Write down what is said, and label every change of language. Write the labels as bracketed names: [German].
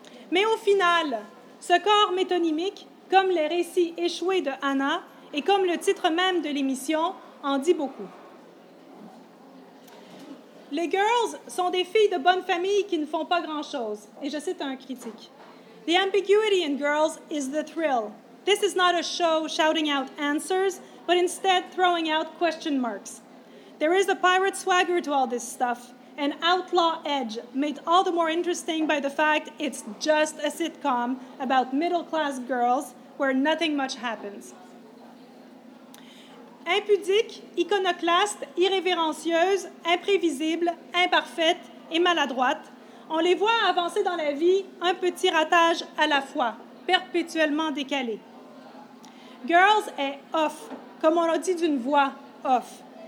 [French] Mais au final, ce corps métonymique, comme les récits échoués de Hannah et comme le titre même de l'émission, en dit beaucoup. Les girls sont des filles de bonne famille qui ne font pas grand-chose, et je cite un critique. « [English] The ambiguity in girls is the thrill. This is not a show shouting out answers, but instead throwing out question marks. There is a pirate swagger to all this stuff, an outlaw edge made all the more interesting by the fact it's just a sitcom about middle-class girls where nothing much happens. [French] Impudique, iconoclaste, irrévérencieuse, imprévisible, imparfaite et maladroite, on les voit avancer dans la vie un petit ratage à la fois, perpétuellement décalé. Girls est off, comme on l'a dit d'une voix off.